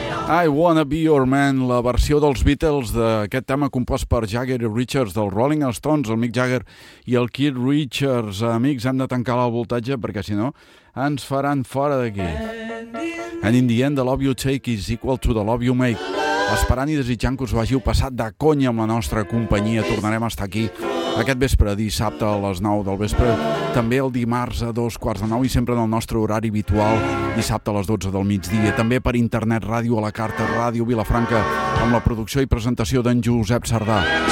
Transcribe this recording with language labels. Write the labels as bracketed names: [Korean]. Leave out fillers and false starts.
[Catalan] I Wanna Be Your Man, la versió dels Beatles d'aquest tema compost per Jagger i Richards del Rolling Stones, el Mick Jagger i el Keith Richards. Amics, hem de tancar el voltatge perquè, si no, ens faran fora d'aquí. [English] And in the end, the love you take is equal to the love you make. [Catalan] Esperant i desitjant que us ho hagiu passat de conya amb la nostra companyia. Tornarem a estar aquí aquest vespre, dissabte a les 9 del vespre, també el dimarts a 8:45 i sempre en el nostre horari habitual, dissabte a les 12 del migdia. També per internet, ràdio a la carta, Ràdio Vilafranca, amb la producció i presentació d'en Josep Cerdà.